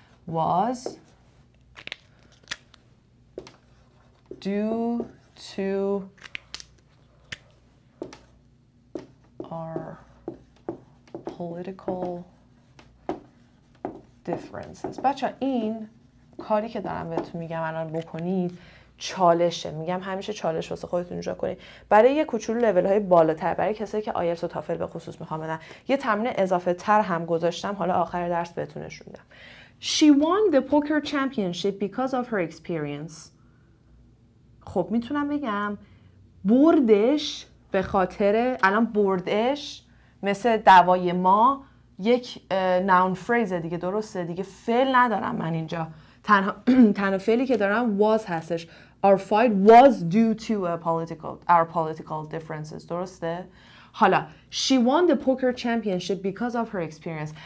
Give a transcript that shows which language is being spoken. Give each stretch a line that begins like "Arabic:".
English: Was due to our political differences.
Persian: بچه این کاری که دارم بهتون میگم الان بکنید چالشه. میگم همیشه چالش واسه خودتون اجرا کنید. برای یه کوچولو لول های بالاتر، برای کسایی که آیلتس و تافل به خصوص میخوام بدن، یه تمرین اضافه تر هم گذاشتم، حالا آخر درس بهتون نشون میدم.
English: She won the poker championship because of her experience.
Persian: خب میتونم بگم بردش به خاطر، الان بردش مثل دوای ما یک noun phrase دیگه، درسته دیگه، فعل ندارم من اینجا، تنها فعلی که دارم was هستش.
English: Our fight was due to our political differences.
Persian: درسته؟ حالا
English: she won the poker championship because of her experience.